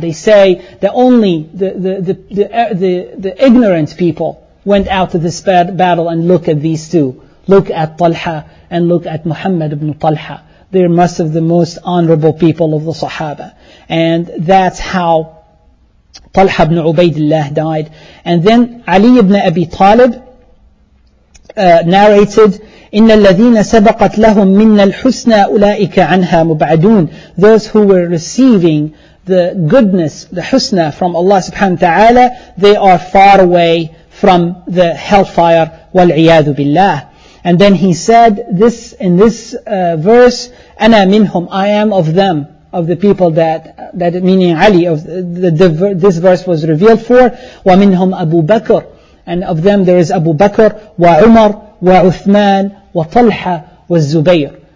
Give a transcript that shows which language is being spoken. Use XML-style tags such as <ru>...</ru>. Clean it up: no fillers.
<en>They say that only the ignorant people went out to this battle and look at these two. Look at Talha and look at Muhammad ibn Talha. They're most of the most honorable people of the Sahaba. And that's how Talha ibn Ubaidillah died. And then Ali ibn Abi Talib narrated,</en> <ar>إِنَّ الَّذِينَ سَبَقَتْ لَهُمْ مِنَّ الْحُسْنَى أُولَٰئِكَ عَنْهَا مُبْعَدُونَ.</ar> <en>Those who were receiving the goodness, the husna from Allah subhanahu wa ta'ala, they are far away from the hellfire</en> <ar>وَالْعِيَاذُ بِاللَّهِ.</ar> <en>And then he said this in this verse,</en> <ar>أَنَا مِنْهُمْ,</ar> <en>I am of them, of the people that meaning Ali, of this verse was revealed for,</en> <ar>وَمِنْهُمْ أَبُو بَكْر,</ar> <en>and of them there is Abu Bakr, وَعُمَر, وَعُثْمَان, وَطَلْحَ, وَالزُّبَيْر.</en>